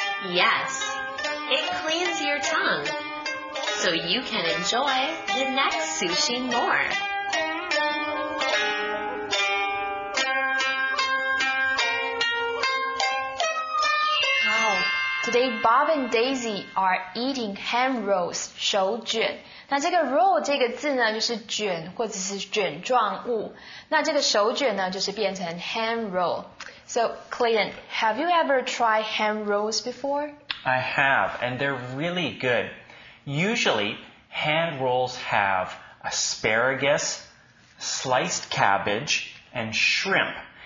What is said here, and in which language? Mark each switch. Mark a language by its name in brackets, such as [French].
[English] Yes, it cleans your tongue, so you can enjoy the next sushi more. Wow, today Bob and Daisy are eating ham rolls, 手卷。 [Chinese] 那这个 roll 这个字呢，就是卷或者是卷状物。那这个手卷呢，就是变成 ham roll。 [English] So, Clayton, have you ever tried ham rolls before? I have, and they're really good. Usually, hand rolls have asparagus, sliced cabbage, and shrimp.